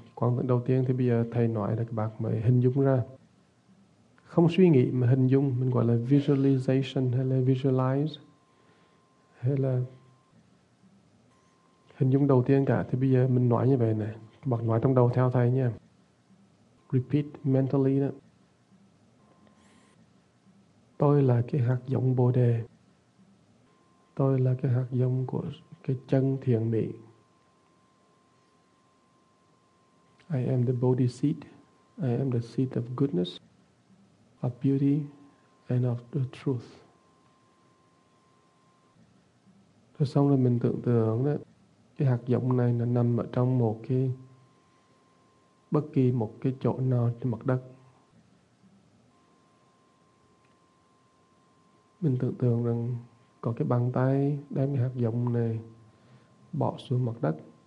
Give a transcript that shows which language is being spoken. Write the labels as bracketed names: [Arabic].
[Vietnamese] Quán tưởng đầu tiên thì bây giờ thầy nói là các bạn mới hình dung ra, không suy nghĩ mà hình dung, mình gọi là visualization hay là visualize hay là hình dung đầu tiên cả. Thì bây giờ mình nói như vậy này, các bạn nói trong đầu theo thầy nha. [English] Repeat mentally đó. [Vietnamese] Tôi là cái hạt giống Bồ đề. Tôi là cái hạt giống của cái chân thiền định. [English] I am the Bodhi seed. I am the seed of goodness, of beauty and of the truth. [Vietnamese] Rồi xong rồi mình tưởng tượng đó, cái hạt giống này nó nằm ở trong một cái bất kỳ một cái chỗ nào trên mặt đất. Mình tưởng tượng rằng có cái bàn tay đem cái hạt giống này bỏ xuống mặt đất.